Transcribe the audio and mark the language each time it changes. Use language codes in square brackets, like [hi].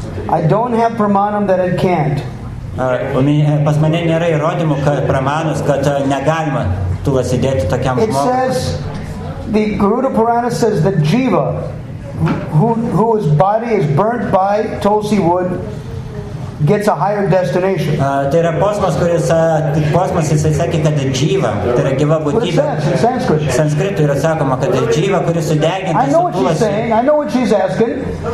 [en] I don't have pramanam that it can't. [lt] Pas mane nėra įrodymų, kad pramanus, kad negalima tulsi dėti tokiam žmogui. [en] It says, the Garuda Purana says that jiva, whose body is burnt by tulsi wood, gets a higher destination. [lt] Tai yra posmas, kuris posmas jisai sakė, kad jiva, tai yra gyva būtybė. Sanskritu yra sakoma, kad jiva, kuris sudegintas [en] tulsi. I know what she's saying. I know what she's asking.